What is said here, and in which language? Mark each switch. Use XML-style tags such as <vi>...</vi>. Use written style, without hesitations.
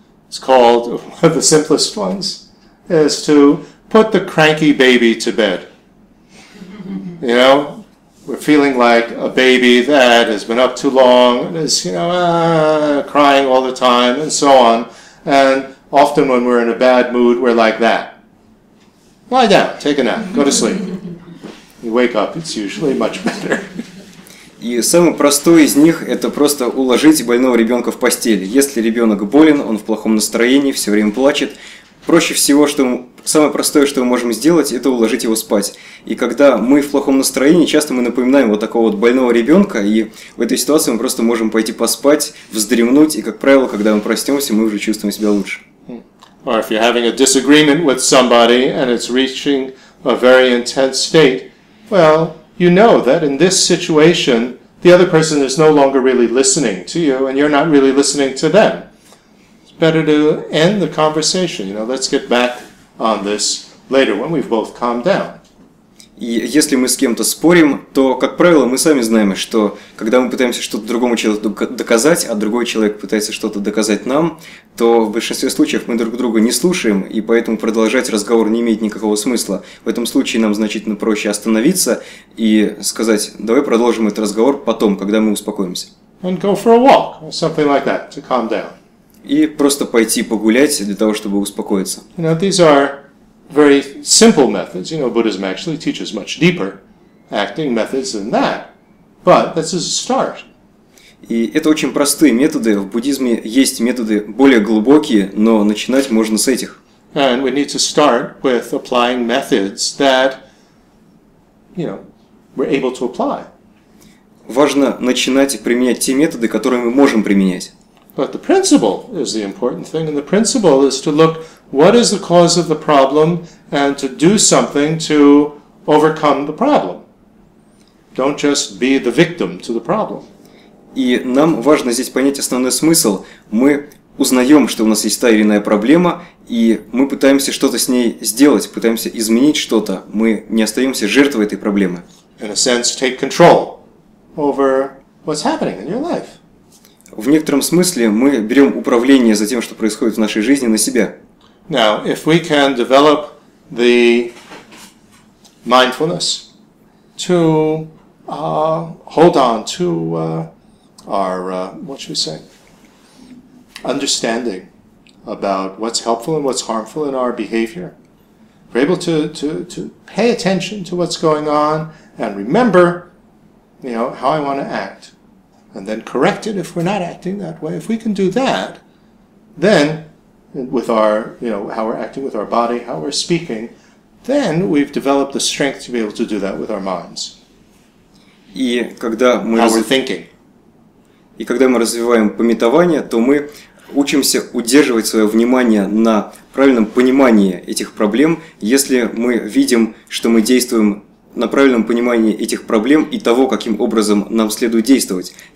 <en>It's called one of the simplest ones is to put the cranky baby to bed. You know, we're feeling like a baby that has been up too long and is, you know, crying all the time and so on. And often when we're in a bad mood, we're like that. Lie down, take a nap, go to sleep. You wake up, it's usually much better.</en> <ru>И самый простой из них – это просто уложить больного ребенка в постель. Если ребенок болен, он в плохом настроении, все время плачет, проще всего, самое простое, что мы можем сделать – это уложить его спать. И когда мы в плохом настроении, часто мы напоминаем вот такого вот больного ребенка, и в этой ситуации мы просто можем пойти поспать, вздремнуть, и, как правило, когда мы проснемся, мы уже чувствуем себя лучше.</ru> <en>or if you're having a disagreement with somebody and it's reaching a very intense state, well, you know that in this situation, the other person is no longer really listening to you and you're not really listening to them. It's better to end the conversation. You know, let's get back on this later when we've both calmed down.</en> <ru>И если мы с кем-то спорим, то, как правило, мы сами знаем, что когда мы пытаемся что-то другому человеку доказать, а другой человек пытается что-то доказать нам, то в большинстве случаев мы друг друга не слушаем, и поэтому продолжать разговор не имеет никакого смысла. В этом случае нам значительно проще остановиться и сказать: «Давай продолжим этот разговор потом, когда мы успокоимся».</ru> <en>And go for a walk, or something like that, to calm down.</en> <ru>И просто пойти погулять для того, чтобы успокоиться.</ru> <en>You know, these are very simple methods. You know, Buddhism actually teaches much deeper acting methods than that. But this is a start.</en> <ru>И это очень простые методы. В буддизме есть методы более глубокие, но начинать можно с этих.</ru> <en>And we need to start with applying methods that, you know, we're able to apply.</en> <ru>Важно начинать применять те методы, которые мы можем применять.</ru> <en>But the principle is the important thing, and the principle is to look what is the cause of the problem and to do something to overcome the problem. Don't just be the victim to the problem.</en> <ru>И нам важно здесь понять основной смысл. Мы узнаем, что у нас есть та или иная проблема, и мы пытаемся что-то с ней сделать, пытаемся изменить что-то. Мы не остаемся жертвой этой проблемы.</ru> <en>In a sense, take control over what's happening in your life.</en> <ru>В некотором смысле мы берем управление за тем, что происходит в нашей жизни, на себя.</ru> <en>Now, if we can develop the mindfulness to hold on to our, what should we say, understanding about what's helpful and what's harmful in our behavior, we're able to pay attention to what's going on and remember, you know, how I want to act. And then correct it if we're not acting that way. If we can do that, then with our, you know, how we're acting with our body, how we're speaking, then we've developed the strength to be able to do that with our minds.</en> <ru>И когда мы</ru> <en>how we're thinking.</en> <ru>И когда мы развиваем памятование, то мы учимся удерживать свое внимание на правильном понимании этих проблем. Если мы видим, что мы действуем на правильном понимании этих проблем и того, каким образом нам следует действовать.</ru>